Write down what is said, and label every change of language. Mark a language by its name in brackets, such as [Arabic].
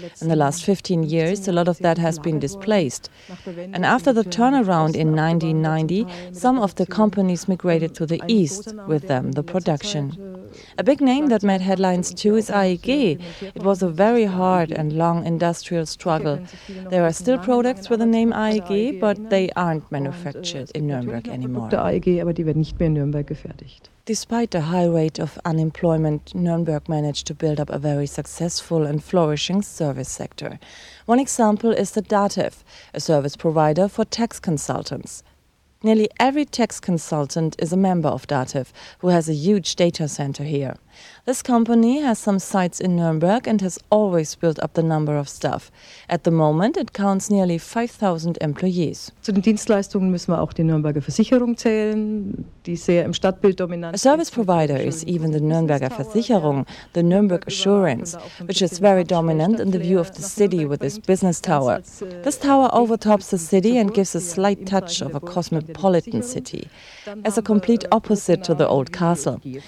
[English] In the last 15 years, a lot of that has been displaced. And after the turnaround in 1990, some of the companies migrated to the east, with them the production. A big name that made headlines too is AEG. It was a very hard and long industrial struggle. There are still products with a name AEG, but they aren't manufactured in Nürnberg anymore. [German] Der AEG, aber die werden nicht mehr in Nürnberg gefertigt. [English] Despite the high rate of unemployment, Nürnberg managed to build up a very successful and flourishing service sector. One example is the DATEV, a service provider for tax consultants. Nearly every tax consultant is a member of DATEV, who has a huge data center here. This company has some sites in Nuremberg and has always built up the number of staff. At the moment, it counts nearly 5,000 employees. [German] Zu den Dienstleistungen müssen wir auch die Nürnberger Versicherung zählen, die sehr im Stadtbild dominant. [English] A service provider is even the Nürnberger Versicherung, the Nürnberg Assurance, which is very dominant in the view of the city with this business tower. This tower overtops the city and gives a slight touch of a cosmopolitan city, as a complete opposite to the old castle.